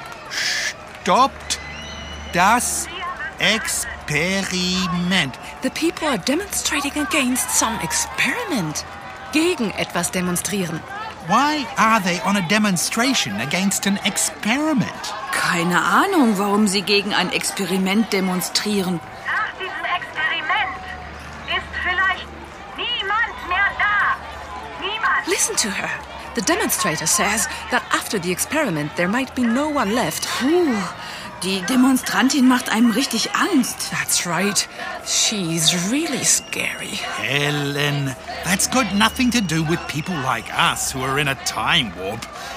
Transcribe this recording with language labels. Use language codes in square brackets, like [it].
[de] Stoppt das Experiment. [en] The people are demonstrating against some experiment. [de] Gegen etwas demonstrieren. [en] Why are they on a demonstration against an experiment? [de] Keine Ahnung, warum sie gegen ein Experiment demonstrieren. Nach diesem Experiment ist vielleicht niemand mehr da. Niemand. [en] Listen to her. The demonstrator says that after the experiment there might be no one left. [de] Puh, die Demonstrantin macht einem richtig Angst. [en] That's right. She's really scary. Helen, that's got nothing to do with people like us who are in a time warp.